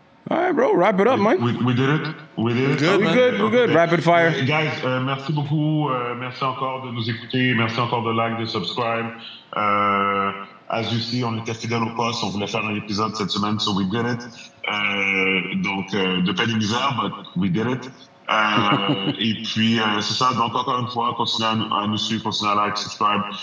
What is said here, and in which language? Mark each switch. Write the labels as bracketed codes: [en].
[en] All right, bro. Wrap it up, Mike. We did it. We're good. Rapid fire. [fr] Guys, merci beaucoup. Merci encore de nous écouter. Merci encore de like, de subscribe. [en] As you see, [fr] on était fidèles au poste. On voulait faire un épisode cette semaine, [en] so we did it. [fr] De peine et misère, [en] but we did it. [fr] et puis, c'est ça. Donc, encore une fois, continuez à nous suivre, continuez à like, subscribe.